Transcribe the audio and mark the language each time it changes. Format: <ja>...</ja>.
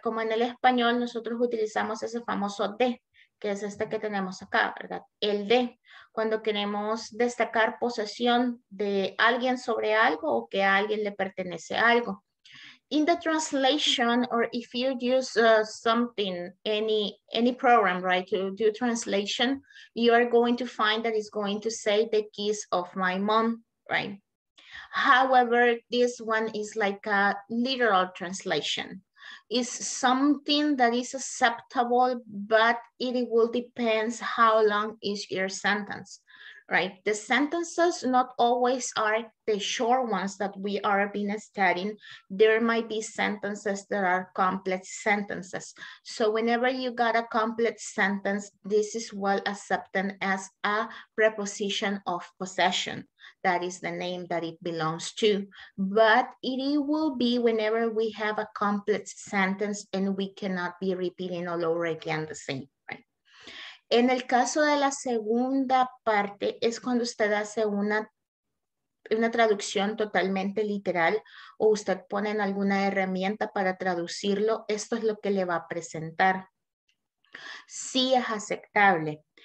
<es>Como en el español, nosotros utilizamos ese famoso de, que es este que tenemos acá, ¿verdad? El de, cuando queremos destacar posesión de alguien sobre algo o que a alguien le pertenece algo.</es> <en>In the translation, or if you use something, any program, right, to do translation, you are going to find that it's going to say the keys of my mom, right? However, this one is like a literal translation. Is something that is acceptable, but it will depends how long is your sentence, right? The sentences not always are the short ones that we are been studying. There might be sentences that are complex sentences. So whenever you got a complex sentence, this is well accepted as a preposition of possession. That is the name that it belongs to. But it will be whenever we have a complex sentence and we cannot be repeating all over again the same, right?</en> <es>En el caso de la segunda parte es cuando usted hace una traducción totalmente literal o usted pone en alguna herramienta para traducirlo. Esto es lo que le va a presentar. Sí es aceptable.</es>